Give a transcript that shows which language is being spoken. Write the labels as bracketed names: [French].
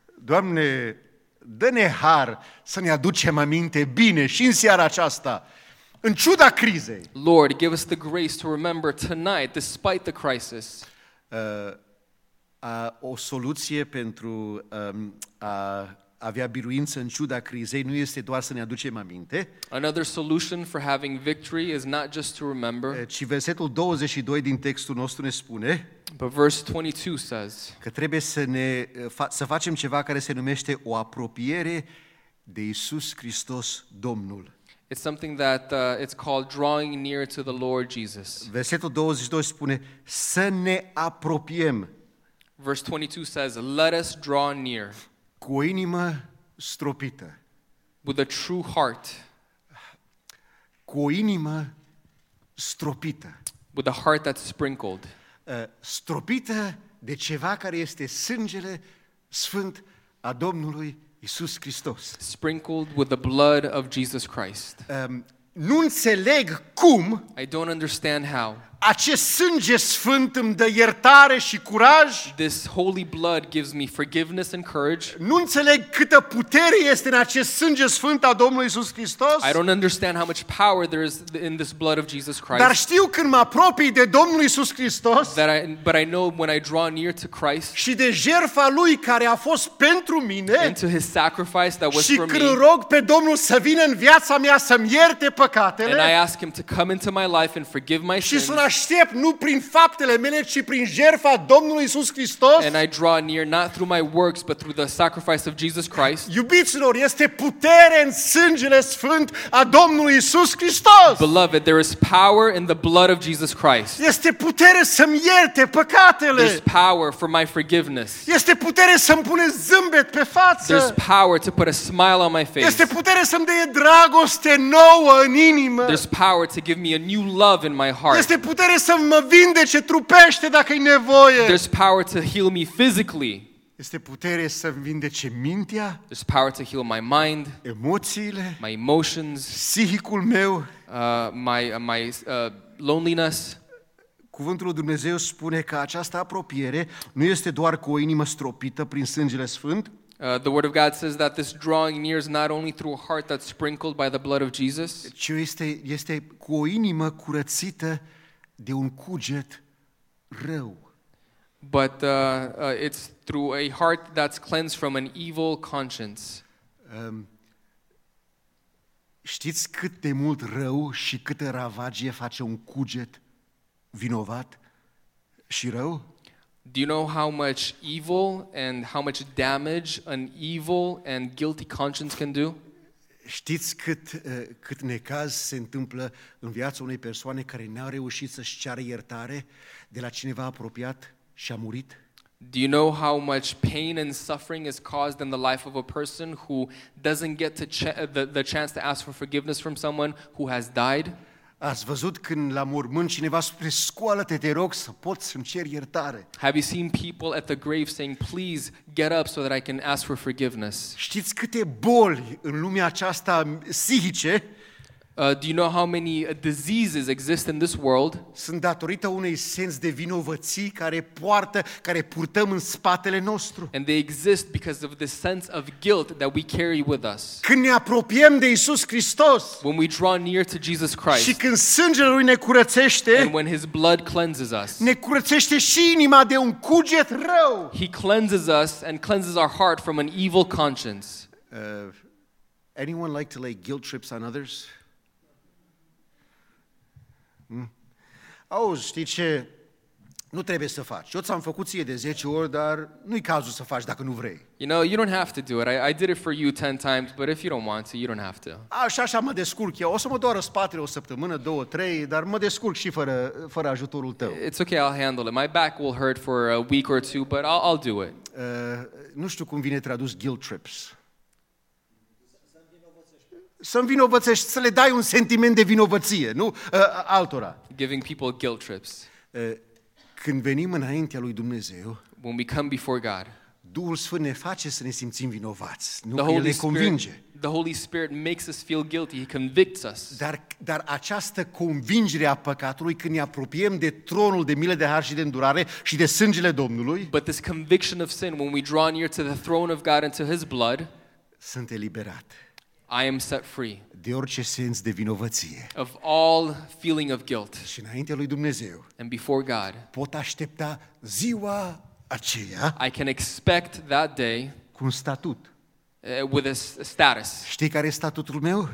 [Romanian] Doamne, dă-ne har să ne aducem aminte bine și în seara aceasta, în ciuda crizei. [English] Lord, give us the grace to remember tonight, despite the crisis. [Romanian] O soluție pentru a avea biruință în ciuda crizei nu este doar să ne aducem aminte. [English] Another solution for having victory is not just to remember. [Romanian] Ci versetul 22 din textul nostru ne spune. [English] But verse 22 says. [Romanian] Că trebuie să ne să facem ceva care se numește o apropiere de Iisus Hristos Domnul. [English] It's something that it's called drawing near to the Lord Jesus. [Romanian] Versetul 22 spune să ne apropiem. [English] Verse 22 says let us draw near. [Romanian] Cu o inimă stropită. [English] With a true heart. [Romanian] Cu o inimă stropită. [English] With a heart that's sprinkled. [Romanian] stropită de ceva care este sângele sfânt a Domnului Iisus Hristos. [English] Sprinkled with the blood of Jesus Christ. [Romanian] Nu înțeleg cum. [English] I don't understand how. [Romanian] Acest sânge sfânt îmi dă iertare și curaj. [English] This holy blood gives me forgiveness and courage. [Romanian] Nu înțeleg câtă putere este în acest sânge sfânt al Domnului Iisus Hristos. [English] I don't understand how much power there is in this blood of Jesus Christ. [Romanian] Dar știu când mă apropii de Domnul Iisus Hristos. [English] But I know when I draw near to Christ. [Romanian] Și de jertfa lui care a fost pentru mine. [English] And to his sacrifice that was for me. [Romanian] Și când rog pe Domnul să vină în viața mea să-mi ierte păcatele. [English] And I ask him to come into my life and forgive my sins. [Romanian] Nu aștept nu prin faptele mele ci prin jertfa Domnului Iisus Hristos. [English] And I draw near not through my works but through the sacrifice of Jesus Christ. [Romanian] Iubiților, este putere în sângele sfânt a Domnului Iisus Hristos. [English] Beloved, there is power in the blood of Jesus Christ. [Romanian] Este putere să-mi ierte păcatele. [English] There's power for my forgiveness. [Romanian] Este putere să-mi pune zâmbet pe față. [English] There's power to put a smile on my face. [Romanian] Este putere să-mi dea dragoste nouă în inimă. [English] There's power to give me a new love in my heart. [Romanian] Este putere să mă vindece trupește dacă e nevoie. [English] There's power to heal me physically. [Romanian] Este putere să vindece mintea. [English] There's power to heal my mind. [Romanian] Emoțiile. [English] My emotions. [Romanian] Psihicul meu. [English] My loneliness. [Romanian] Cuvântul lui Dumnezeu spune că această apropiere nu este doar cu o inimă stropită prin sângele sfânt. [English] The word of God says that this drawing near is not only through a heart that's sprinkled by the blood of Jesus. [Romanian] Ci este cu o inimă curățită de un cuget rău. [English] But it's through a heart that's cleansed from an evil conscience. [Romanian] Știți cât de mult rău și câtă ravagie face un cuget vinovat și rău? [English] Do you know how much evil and how much damage an evil and guilty conscience can do? [Romanian] Știți cât necaz se întâmplă în viața unei persoane care n-a reușit să-și ceară iertare de la cineva apropiat și a murit? [English] Do you know how much pain and suffering is caused in the life of a person who doesn't get to the chance to ask for forgiveness from someone who has died? [Romanian] Ați văzut când la mormânt cineva spune scoală-te, te rog, să pot să-mi cer iertare? [English] Have you seen people at the grave saying please get up so that I can ask for forgiveness? [Romanian] Știți câte boli în lumea aceasta psihice? [English] Do you know how many diseases exist in this world? [Romanian] Sunt datorită unui sens de vinovăție care purtăm în spatele nostru. [English] And they exist because of the sense of guilt that we carry with us. [Romanian] Când ne apropiem de Iisus Hristos. [English] When we draw near to Jesus Christ. [Romanian] Și când sângele lui ne curățește. [English] And when his blood cleanses us. [Romanian] Ne curățește și inima de un cuget rău. [English] He cleanses us and cleanses our heart from an evil conscience. Anyone like to lay guilt trips on others? [Romanian] Auzi, știi ce? Nu trebuie să faci. Eu ți-am făcut ție de 10 ori, dar nu-i cazul să faci dacă nu vrei. [English] You know, you don't have to do it. I did it for you 10 times, but if you don't want to, you don't have to. [Romanian] Așa mă descurc eu. O să mă doară spatele o săptămână, două, trei, dar mă descurc și fără ajutorul tău. [English] It's okay, I'll handle it. My back will hurt for a week or two, but I'll do it. [Romanian] Nu știu cum vine tradus guilt trips. Să-mi vinovățești, să le dai un sentiment de vinovăție, nu? Altora. [English] Giving people guilt trips. [Romanian] Când venim înaintea lui Dumnezeu, [English] when we come before God, [Romanian] Duhul Sfânt ne face să ne simțim vinovați, nu? El ne convinge. [English] The Holy Spirit makes us feel guilty, he convicts us. [Romanian] Dar această convingere a păcatului când ne apropiem de tronul de milă de har și de îndurare și de sângele Domnului, [English] but this conviction of sin when we draw near to the throne of God and to his blood, [Romanian] sunt eliberat. [English] I am set free. [Romanian] De orice sens de vinovăție. [English] Of all feeling of guilt. [Romanian] Și înaintea lui Dumnezeu. [English] And before God. [Romanian] Pot aștepta ziua aceea. [English] I can expect that day. [Romanian] Cu un statut. [English] With a status. [Romanian] Știi care e statutul meu?